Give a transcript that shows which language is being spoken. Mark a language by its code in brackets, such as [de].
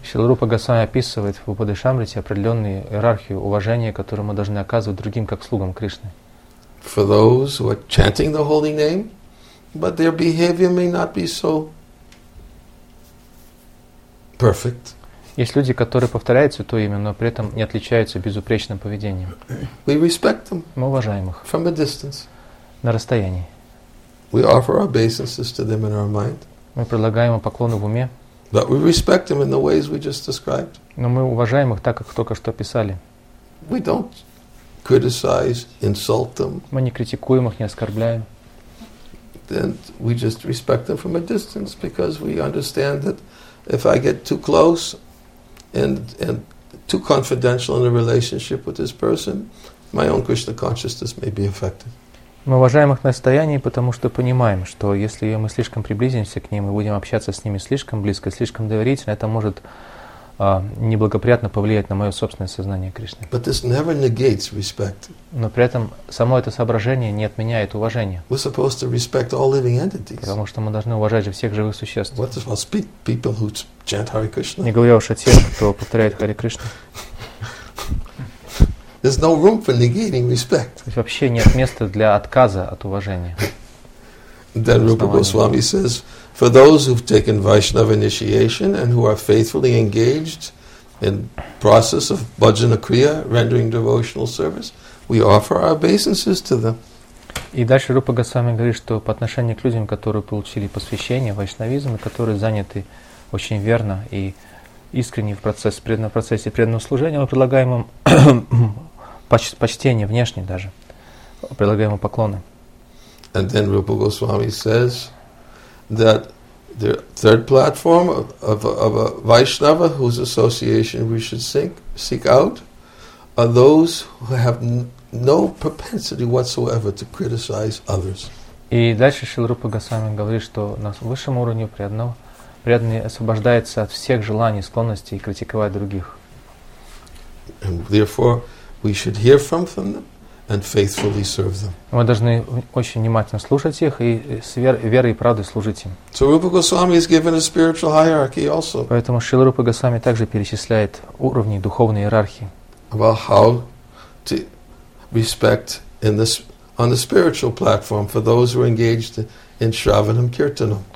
[ru] Шрила Рупа Госвами описывает в Упадешамрите определенную иерархию уважения, которую мы должны оказывать другим, как слугам Кришны. [en] For those who are chanting the holy name, but their behavior may not be so perfect. [ru] Есть люди, которые повторяют святое имя, но при этом не отличаются безупречным поведением. [en] We respect them. [ru] Мы уважаем их. [en] From a distance. [ru] На расстоянии. [en] We offer our obeisances to them in our mind. [ru] Мы предлагаем им поклоны в уме. [en] But we respect them in the ways we just described. [ru] Но мы уважаем их так, как только что описали. [en] We don't criticize, insult them. [ru] Мы не критикуем их, не оскорбляем. [en] Then we just respect them from a distance because we understand that if I get too close and too confidential in a relationship with this person, my own Krishna consciousness may be affected. [ru] Мы уважаем их на расстоянии, потому что понимаем, что если мы слишком приблизимся к ним и будем общаться с ними слишком близко, слишком доверительно, это может неблагоприятно повлиять на мое собственное сознание Кришны. [en] But this never negates respect. [ru] Но при этом само это соображение не отменяет уважение. [en] We're supposed to respect all living entities. [ru] Потому что мы должны уважать всех живых существ. [en] What if I'll speak people who chant Hare Krishna? [ru] Не говоря уж о тех, кто повторяет Харе Кришну. [en] There's no room for negating respect. [ru] Вообще нет места для отказа от уважения. [en] Then Rupa Goswami says, for those who've taken Vaishnava initiation and who are faithfully engaged in process of bhajana kriya, rendering devotional service, we offer our obeisances to them. [ru] И дальше Рупа Госвами говорит, что по отношению к людям, которые получили посвящение вайшнавизм и которые заняты очень верно и искренне в процессе преданного служения, мы предлагаем им почтение внешне даже, предлагаем им поклоны. [en] And then Rupa Goswami says that the third platform of a Vaishnava whose association we should seek out are those who have no propensity whatsoever to criticize others. [ru] И дальше Шрила Рупа Госвами говорит, что на высшем уровне преданного преданный освобождается от всех желаний, склонностей критиковать других. [en] And therefore, we should hear from them and faithfully serve them. [ru] Мы должны очень внимательно слушать их и с верой и правдой служить им. [en] So Rupa Goswami is given a spiritual hierarchy also. [ru] Поэтому Шрила Рупа Госвами также перечисляет уровни духовной иерархии. [en] About how to respect in this on the spiritual platform for those who are engaged in Shravanam Kirtanam.